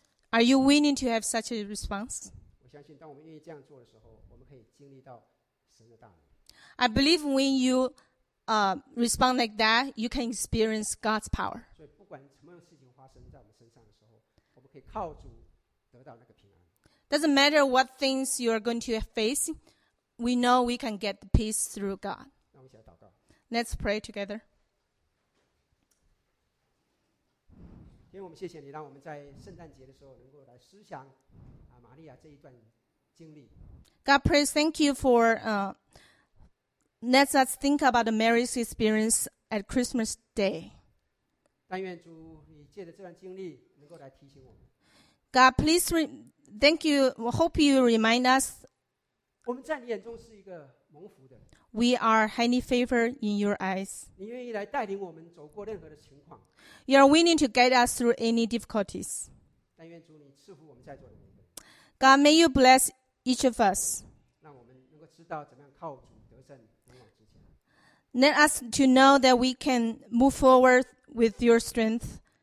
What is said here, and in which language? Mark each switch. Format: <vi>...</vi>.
<en>Are you willing to have such a response?</en> <zh>我相信当我们愿意这样做的时候，我们可以经历到神的大能。</zh> <en>I believe when you respond like that, you can experience God's power.</en> <zh>所以不管什么事情发生在我们身上的时候，我们可以靠主得到那个平安。</zh> <en>Doesn't matter what things you are going to face, we know we can get the peace through God.</en> <zh>让我们一起来祷告。</zh> <en>Let's pray together.</en> <zh>因为我们谢谢你让我们在圣诞节的时候能够来思想、啊、玛利亚这一段经历。</zh> <en>God praise thank you for let us think about the Mary's experience at Christmas day.</en> <zh>但愿主你借着这段经历能够来提醒我们。</zh> <en>God please thank you, we hope you remind us.</en> <zh>我们在你眼中是一个蒙福的。</zh> <en>We are highly favored in your eyes.</en> <zh>你愿意来带领我们走过任何的情况。</zh> <en>You are willing to guide us through any difficulties. God, may you bless each of us. Let us to know that we can move forward with your strength.</en>